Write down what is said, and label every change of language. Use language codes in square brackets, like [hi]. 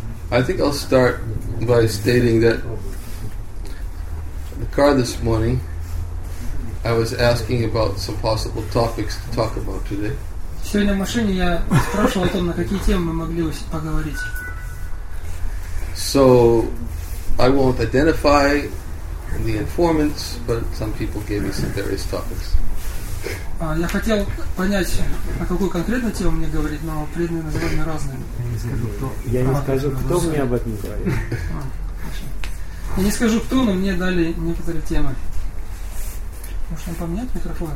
[en] I think I'll start by stating that the car this morning, I was asking about some possible topics to talk about today. [ru] Сегодня в машине я спрашивал о том, на какие темы мы могли бы поговорить. [en] So, I won't identify the informants, but some people gave me some various topics. [ru] Я хотел понять, о какой конкретной теме мне говорить, но предметы названы разные. Я не скажу, кто мне об этом говорит. Я не скажу, кто, но мне дали некоторые темы. Можно поменять микрофон?